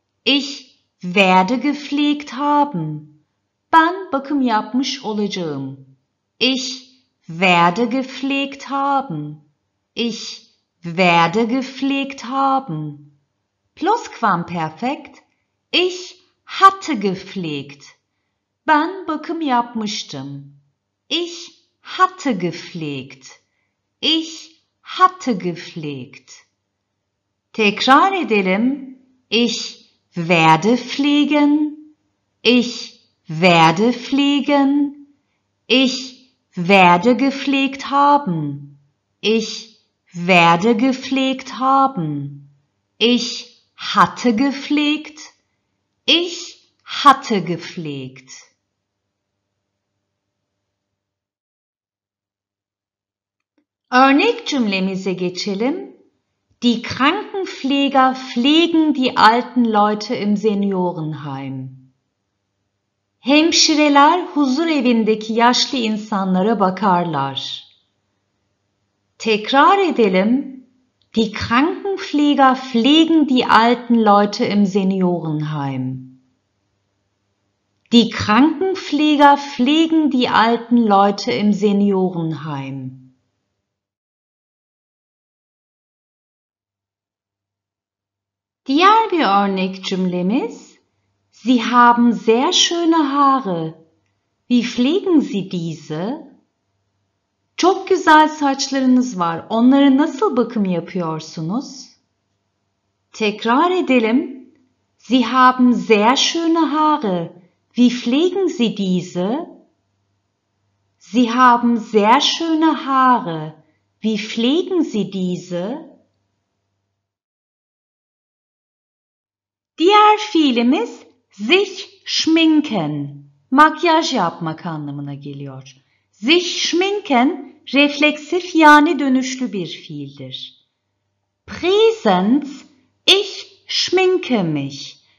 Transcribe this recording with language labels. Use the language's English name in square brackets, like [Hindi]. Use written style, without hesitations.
[German] Ich werde gepflegt haben. [Turkish] Ben bakım yapmış olacağım. [German] Ich werde gepflegt haben. Ich werde gepflegt haben. Plusquamperfekt. Ich hatte gepflegt. [Turkish] Ben bakım yapmıştım. [German] Ich hatte gepflegt. Ich hatte gepflegt. [Turkish] Tekrar edelim. [German] Ich werde pflegen. Ich werde pflegen. Ich werde gepflegt haben. Ich werde gepflegt haben. Ich hatte gepflegt. Ich hatte gepflegt. [Turkish] Örnek cümlemize geçelim. [German] Die Krankenpfleger pflegen die alten Leute im Seniorenheim. [Turkish] Hemşireler huzur evindeki yaşlı insanlara bakarlar. Tekrar edelim. [German] Die Krankenpfleger pflegen die alten Leute im Seniorenheim. Die Krankenpfleger pflegen die alten Leute im Seniorenheim. [Turkish] Diğer bir örnek cümlemiz. [German] Sie haben sehr schöne Haare. Wie pflegen Sie diese? [Turkish] Çok güzel saçlarınız var. Onları nasıl bakım yapıyorsunuz? Tekrar edelim. [German] Sie haben sehr schöne Haare. Wie pflegen Sie diese? Sie haben sehr schöne Haare. Wie pflegen Sie diese? [Turkish] Diğer fiilimiz sich schminken, makyaj yapmak anlamına geliyor. Sich schminken, refleksif yani dönüşlü bir fiildir. [German] Präsenz, ich schminke mich.